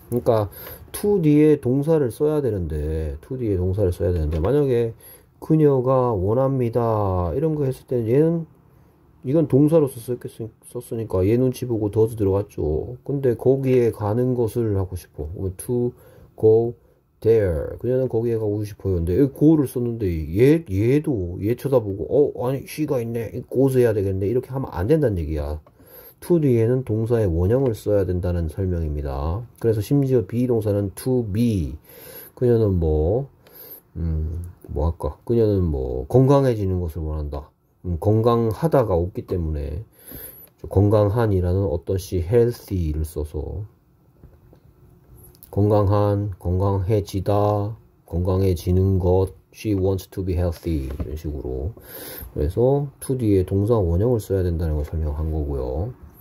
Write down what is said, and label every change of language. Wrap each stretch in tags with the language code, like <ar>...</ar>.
<ko>그러니까 to 뒤에 동사를 써야 되는데, to 뒤에 동사를 써야 되는데 만약에 그녀가 원합니다 이런 거 했을 때는 얘는 이건 동사로 썼으니까 얘 눈치 보고 does 들어갔죠. 근데 거기에 가는 것을 하고 싶어. 그러면</ko> <en>to go There.</en> <ko>그녀는 거기에 가고 싶어요. 근데 여기 go를 썼는데 얘도 얘 쳐다보고 아니 she가 있네. go 해야 되겠네. 이렇게 하면 안 된다는 얘기야. to 뒤에는 동사의 원형을 써야 된다는 설명입니다. 그래서 심지어 be 동사는 to be. 그녀는 뭐 할까? 그녀는 뭐 건강해지는 것을 원한다. 건강하다가 없기 때문에 건강한이라는 어떤 시 healthy를 써서. 건강한, 건강해지다, 건강해지는 것,</ko> <en>she wants to be healthy.</en> <ko>이런 식으로. 그래서, to 뒤에 동사 원형을 써야 된다는 걸 설명한 거고요.</ko>